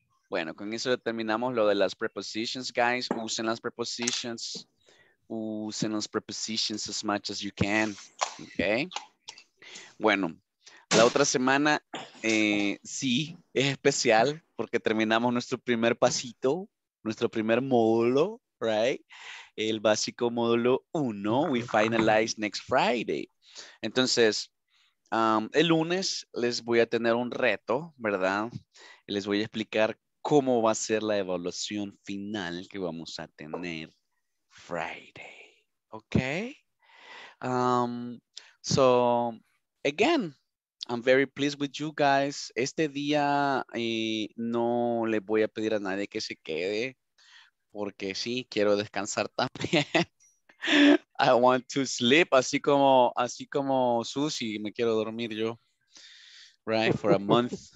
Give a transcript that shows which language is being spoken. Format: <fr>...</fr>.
<es>Bueno, con eso terminamos lo de las prepositions, guys. Usen las prepositions. Usen las prepositions</es> <en>as much as you can. Okay.</en> <es>Bueno, la otra semana sí es especial porque terminamos nuestro primer pasito, nuestro primer módulo, right? El básico módulo 1,</es> <en>we finalize next Friday.</en> <es>Entonces, el lunes les voy a tener un reto, ¿verdad? Les voy a explicar cómo va a ser la evaluación final que vamos a tener Friday. Okay?</es> <en>So, again, I'm very pleased with you guys.</en> <es>Este día no le voy a pedir a nadie que se quede. Porque sí, quiero descansar también.</es> <en>I want to sleep,</en> <es>así como Susie, me quiero dormir yo.</es> <en>Right, for a month.</en>